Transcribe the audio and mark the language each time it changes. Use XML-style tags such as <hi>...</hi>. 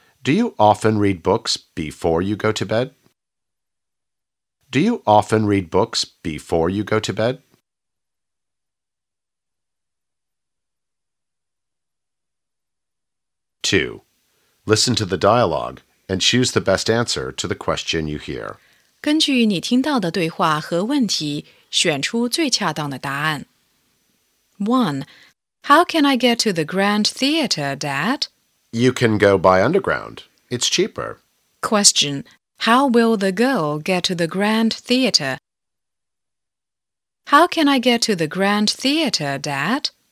<en>Do you often read books before you go to bed? Do you often read books before you go to bed? 2. Listen to the dialogue and choose the best answer to the question you hear.</en> <zh>根据你听到的对话和问题，选出最恰当的答案。</zh> <en>1. How can I get to the Grand Theater, Dad? You can go by underground. It's cheaper. Question. How will the girl get to the Grand Theater? How can I get to the Grand Theater, Dad?</en>